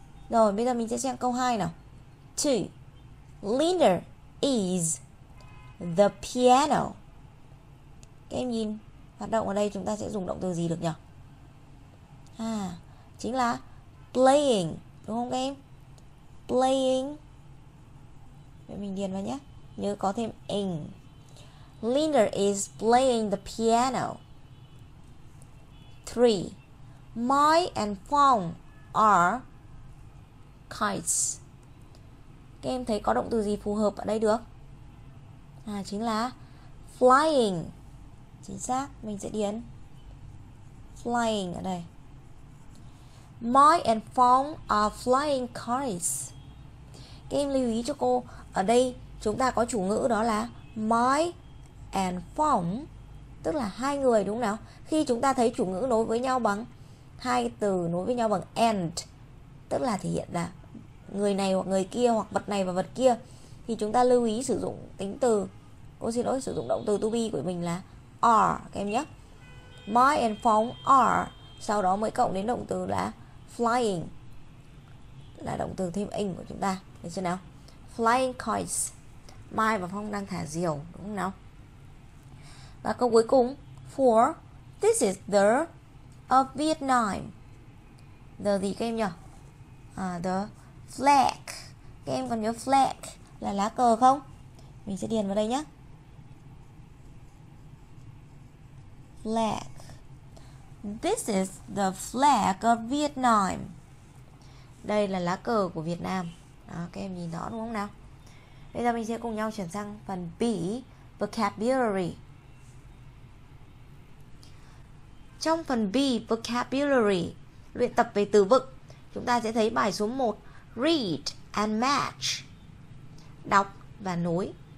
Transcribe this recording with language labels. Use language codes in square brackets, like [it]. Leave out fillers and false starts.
[vi] Rồi, bây giờ mình sẽ xem câu 2 nào. 2. [en] Linda is the piano. [vi] Các em nhìn, hoạt động ở đây chúng ta sẽ dùng động từ gì được nhỉ? À, chính là playing, đúng không các em? Playing. Vậy mình điền vào nhé, nhớ có thêm ing. [en] Linda is playing the piano. 3. Mai and Fong are kites. [vi] Các em thấy có động từ gì phù hợp ở đây được? À, chính là flying. Chính xác, mình sẽ điền flying ở đây. [en] Mai and Fong are flying kites. [vi] Các em lưu ý cho cô, ở đây chúng ta có chủ ngữ đó là Mai and Fong, tức là hai người đúng không nào? Khi chúng ta thấy chủ ngữ nối với nhau bằng hai từ nối với nhau bằng and, tức là thể hiện là người này hoặc người kia hoặc vật này và vật kia, thì chúng ta lưu ý sử dụng tính từ, cô xin lỗi, sử dụng động từ to be của mình là are các em nhé. My and Fong are, sau đó mới cộng đến động từ là flying, là động từ thêm ing của chúng ta, được chưa nào? [en] Flying kites. [vi] Mai và Fong đang thả diều đúng không nào? Và câu cuối cùng, 4. [en] This is the of Vietnam. [vi] The gì các em nhỉ? [en] À, the flag. [vi] Các em còn nhớ flag là lá cờ không? Mình sẽ điền vào đây nhé. [en] Flag. This is the flag of Vietnam. [vi] Đây là lá cờ của Việt Nam. Đó, các em nhìn rõ đúng không nào? Bây giờ mình sẽ cùng nhau chuyển sang phần B, vocabulary. Trong phần B, vocabulary, luyện tập về từ vựng, chúng ta sẽ thấy bài số 1, read and match, đọc và nối.